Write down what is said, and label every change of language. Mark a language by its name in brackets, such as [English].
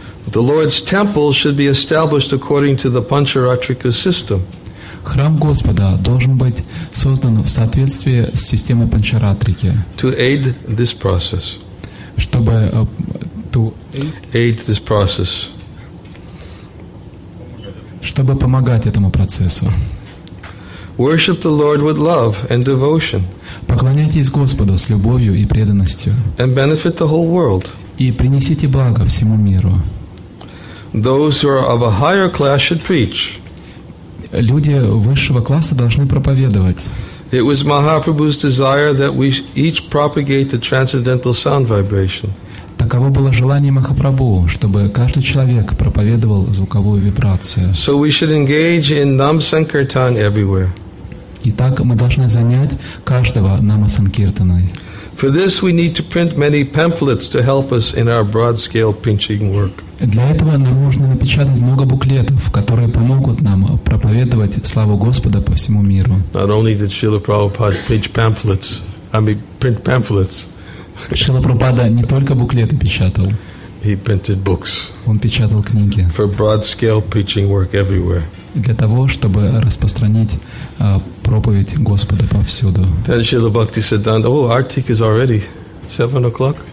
[English] The Lord's temple should be established according to the Pancharatrika system. [Russian] Храм Господа должен быть создан в соответствии с системой Панчаратрики. [English] To aid this process. [Russian] Чтобы [English] aid this process. [Russian] Чтобы помогать этому процессу. [English] Worship the Lord with love and devotion. [Russian] Поклоняйтесь Господу с любовью и преданностью. [English] And benefit the whole world. [Russian] И принесите благо всему миру. [English] Those who are of a higher class should preach. [Russian] Люди высшего класса должны проповедовать. [English] It was Mahaprabhu's desire that we each propagate the transcendental sound vibration. [Russian] Таково было желание Махапрабху, чтобы каждый человек проповедовал звуковую вибрацию. [English] So we should engage in Nam Sankirtan everywhere. [Russian] И так мы должны занять каждого нама санкиртаной. [English] For this we need to print many pamphlets to help us in our broad-scale preaching work. [Russian] Для этого нам нужно напечатать много буклетов, которые помогут нам проповедовать славу Господа по всему миру. [English] Not only did Srila Prabhupada preach pamphlets, I mean print pamphlets. [Russian] Шрила Прабхупада не только буклеты печатал. [English] He printed books. [Russian] Он печатал книги. [English] For broad-scale preaching work everywhere. [Russian] Для того, чтобы распространить проповедь Господа повсюду. [English] Then Srila Bhakti Siddhanta, oh, Artik is already 7 o'clock.